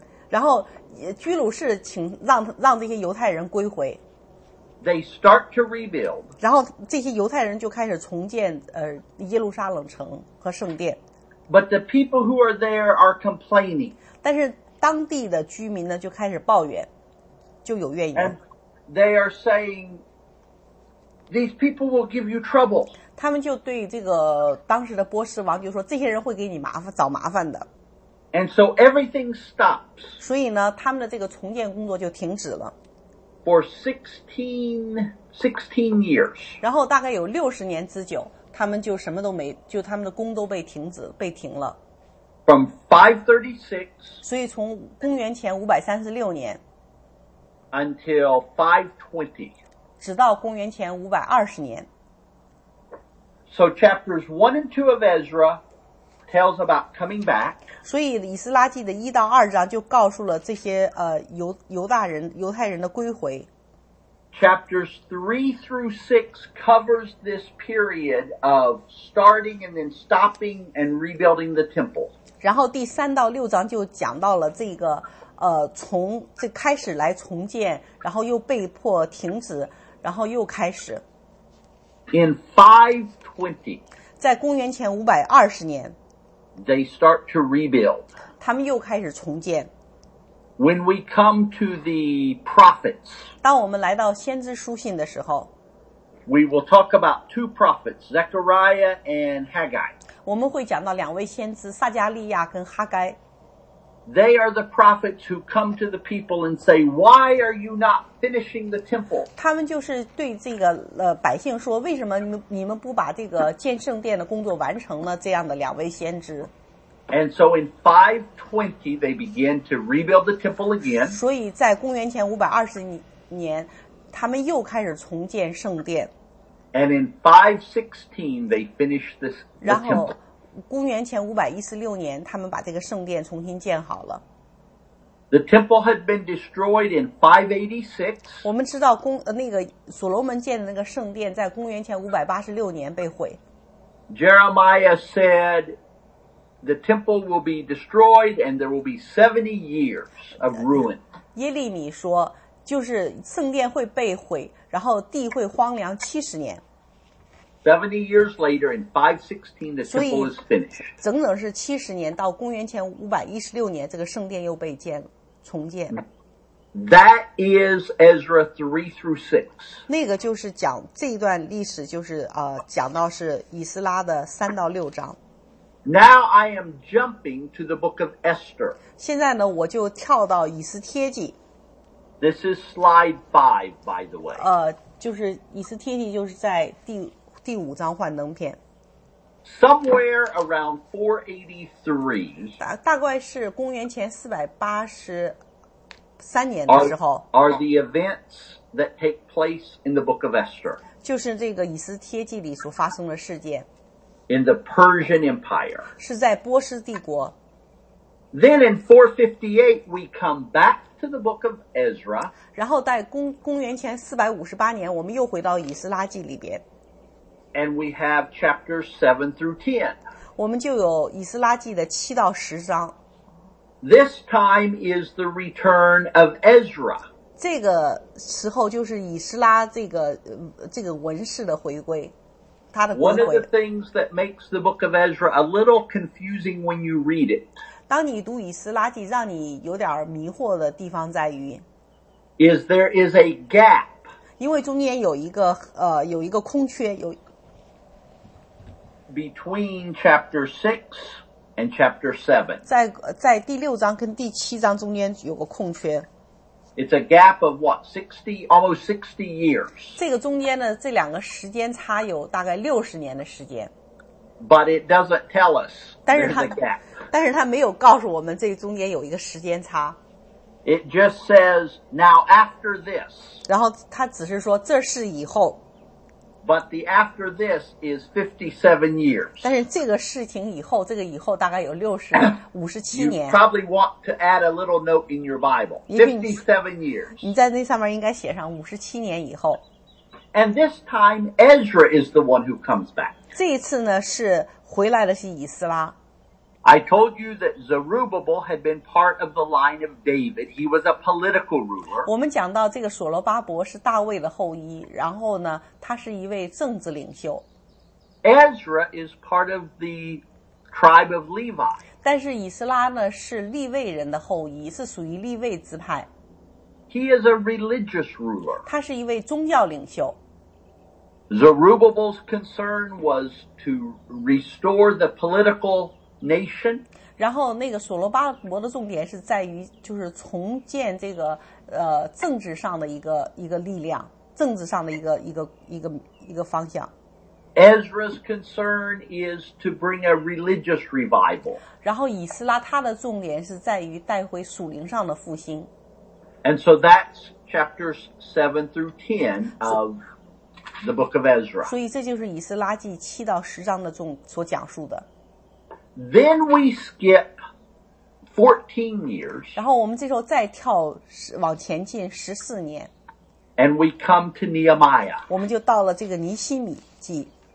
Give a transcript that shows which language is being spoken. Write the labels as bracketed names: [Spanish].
[Chinese] 然后居鲁士请让这些犹太人归回。 [English] They start to rebuild. [Chinese] 然后这些犹太人就开始重建耶路撒冷城和圣殿。 [English] But the people who are there are complaining. [Chinese] 但是当地的居民呢就开始抱怨，就有怨言。 [English] And they are saying, these people will give you trouble. [Chinese] 他们就对这个当时的波斯王就说，这些人会给你麻烦，找麻烦的。 [English] And so everything stops. [Chinese] 所以呢，他们的这个重建工作就停止了。 [English] For 16 years. [Chinese] 然后大概有60年之久，他们就什么都没，就他们的工都被停了。 [English] From 536. [Chinese] 所以从公元前536年。 [English] Until 520. [Chinese] 直到公元前520年。 [English] So chapters 1 and 2 of Ezra tells about coming back. [Chinese] 所以以斯拉记的一到二章就告诉了这些犹太人的归回。 [English] Chapters 3 through 6 covers this period of starting and then stopping and rebuilding the temple. [Chinese] 然后第三到六章就讲到了这个从这开始来重建，然后又被迫停止，然后又开始。 [English] In 520, [Chinese] 在公元前520年 [English] ，they start to rebuild. [Chinese] 他们又开始重建。 [English] When we come to the prophets, [Chinese] 当我们来到先知书信的时候 [English] ，we will talk about two prophets, Zechariah and Haggai. [Chinese] 我们会讲到两位先知，撒加利亚跟哈该。 [English] They are the prophets who come to the people and say, "Why are you not finishing the temple?" [Chinese] 他们就是对这个百姓说，为什么你们不把这个建圣殿的工作完成呢？这样的两位先知。 [English] And so in 520, they begin to rebuild the temple again. [Chinese] 所以在公元前520年，他们又开始重建圣殿。 [English] And in 516, they finish this temple. [Chinese] 公元前516年，他们把这个圣殿重新建好了。 [English] The temple had been destroyed in 586. [Chinese] 我们知道那个所罗门建的那个圣殿在公元前586年被毁。 [English] Jeremiah said, the temple will be destroyed and there will be 70 years of ruin. [Chinese] 耶利米说，就是圣殿会被毁，然后地会荒凉70年。 [English] 70 years later, in 516, the temple is finished. [Chinese] 整整是70年，到公元前516年，这个圣殿又被建重建。 [English] That is Ezra 3 through 6. [Chinese] 那个就是讲这一段历史，就是讲到是以斯拉的3到6章。 [English] Now I am jumping to the book of Esther. [Chinese] 现在呢，我就跳到以斯帖记。 [English] This is slide 5, by the way. [Chinese] 就是以斯帖记就是在第五章幻灯片。 [English] Somewhere around 483, [Chinese] 大概是公元前483年的时候。 [English] Are the events that take place in the book of Esther? [Chinese] 就是这个以斯帖记里所发生的事件。 [English] In the Persian Empire. [Chinese] 是在波斯帝国。 [English] Then in 458, we come back to the book of Ezra. [Chinese] 然后在公元前458年，我们又回到以斯拉记里边。 [English] And we have chapters 7 through 10. [Chinese] 我们就有以斯拉记的七到十章。 [English] This time is the return of Ezra. [Chinese] 这个时候就是以斯拉这个文士的回归，他的归回。 [English] One of the things that makes the book of Ezra a little confusing when you read it. [Chinese] 当你读以斯拉记，让你有点迷惑的地方在于 [English] ，is there is a gap. [Chinese] 因为中间有一个空缺， [English] Between chapter 6 and chapter 7. [Chinese] 在第六章跟第七章中间有个空缺。 [English] It's a gap of what? 60, almost 60 years. [Chinese] 这个中间的这两个时间差有大概60年的时间。 [English] But it doesn't tell us there's a gap. [Chinese] 但是他没有告诉我们这中间有一个时间差。 [English] It just says, now after this. [Chinese] 然后他只是说这是以后。 [English] But the after this is 57 years. [Chinese] 但是这个事情以后，这个以后大概有五十七年。 [English] You probably want to add a little note in your Bible. 57 years. [Chinese] 你在那上面应该写上五十七年以后。 [English] And this time, Ezra is the one who comes back. [Chinese] 这一次呢，是回来的是以斯拉。 [English] I told you that Zerubbabel had been part of the line of David. He was a political ruler. [Chinese] 我们讲到这个所罗巴伯是大卫的后裔，然后呢，他是一位政治领袖。 [English] Ezra is part of the tribe of Levi. [Chinese] 但是以斯拉呢，是利未人的后裔，是属于利未支派。 [English] He is a religious ruler. [Chinese] 他是一位宗教领袖。 [English] Zerubbabel's concern was to restore the political nation. [Chinese] 然后那个所罗巴伯的重点是在于就是重建这个政治上的一个力量，政治上的一个方向。 [English] Ezra's concern is to bring a religious revival. [Chinese] 然后以斯拉他的重点是在于带回属灵上的复兴。 [English] And so that's chapters 7 through 10 of the book of Ezra. [Chinese] 所以这就是以斯拉记七到十章的所讲述的。 [English] Then we skip 14 years. [Chinese] 然后我们这时候再跳往前进14年。 [English] And we come to Nehemiah. [Chinese] 我们就到了这个尼希米记。